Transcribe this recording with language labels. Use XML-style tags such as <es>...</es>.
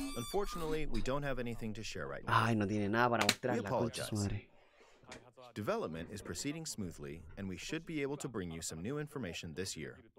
<en>Unfortunately, we don't have anything to share right now.</en> <es>Ay, no tiene nada para mostrar, la concha su madre.</es> <en>Development is proceeding smoothly, and we should be able to bring you some new information this year.</en>